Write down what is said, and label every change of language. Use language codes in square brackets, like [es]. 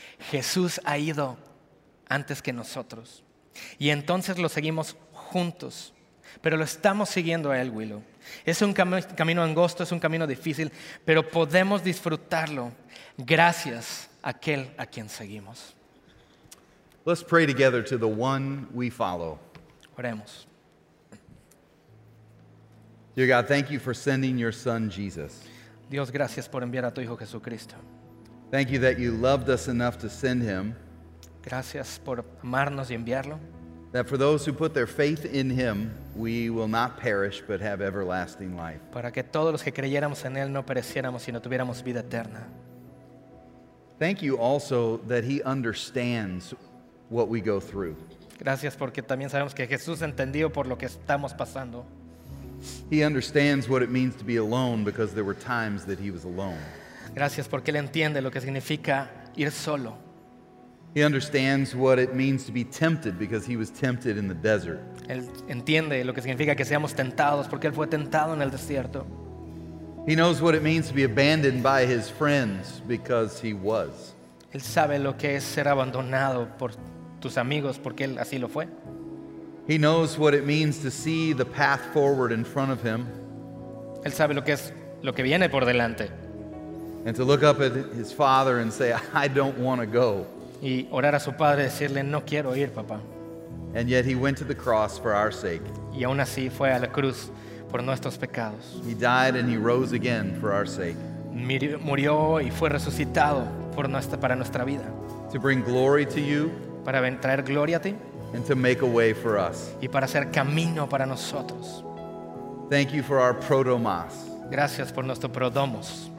[es] Jesús ha ido antes que nosotros. Y entonces lo seguimos juntos. Pero lo estamos siguiendo a él, Willow. Es un camino angosto, es un camino difícil, pero podemos disfrutarlo gracias a aquel a quien seguimos. [en] Let's pray together to the one we follow. [es] Oremos. [en] Dear God, thank you for sending your son, Jesus. [es] Dios, gracias por enviar a tu hijo Jesucristo. [en] Thank you that you loved us enough to send him. [es] Gracias por amarnos y enviarlo. [en] That for those who put their faith in him, we will not perish but have everlasting life. [es] Para que todos los que creyéramos en él no pereciéramos sino tuviéramos vida eterna. [en] Thank you also that he understands what we go through. [es] Gracias porque también sabemos que Jesús entendió por lo que estamos pasando. [en] He understands what it means to be alone because there were times that he was alone. [es] Gracias porque él entiende lo que significa ir solo. [en] He understands what it means to be tempted because he was tempted in the desert. [es] Él entiende lo que significa que seamos tentados porque él fue tentado en el desierto. [en] He knows what it means to be abandoned by his friends because he was. [es] Él sabe lo que es ser abandonado por tus amigos porque él así lo fue. [en] He knows what it means to see the path forward in front of him. [es] Él sabe lo que es lo que viene por delante. [en] And to look up at his father and say, "I don't want to go." [es] Y orar a su padre decirle, "No quiero ir, papá." [en] And yet he went to the cross for our sake. [es] Y aún así fue a la cruz por nuestros pecados. [en] He died and he rose again for our sake. [es] Murió y fue resucitado por nuestra para nuestra vida. [en] To bring glory to you. [es] Para traer gloria a ti. [en] And to make a way for us. [es] Y para hacer camino para nosotros. [en] Thank you for our prodomos. [es] Gracias por nuestro prodomos.